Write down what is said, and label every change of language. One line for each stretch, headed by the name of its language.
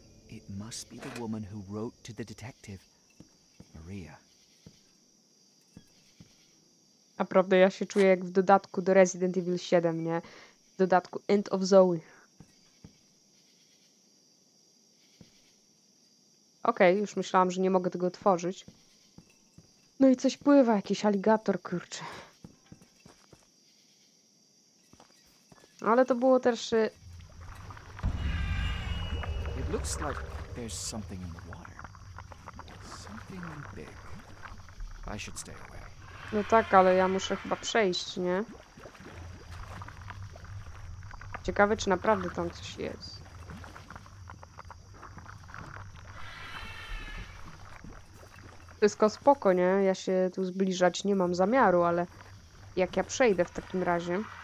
English: It must be the woman who wrote to the detective, Maria.
Polish: Naprawdę, ja się czuję jak w dodatku do Resident Evil 7, nie? W dodatku End of Zoe. Okej, już myślałam, że nie mogę tego otworzyć. No i coś pływa, jakiś aligator, kurczę. Ale to było też...
English: Looks like there's something in the water. Something big. I should stay away.
Polish: No tak, ale ja muszę chyba przejść, nie? Ciekawe, czy naprawdę tam coś jest. Wszystko spoko, nie? Ja się tu zbliżać nie mam zamiaru, ale jak ja przejdę w takim razie?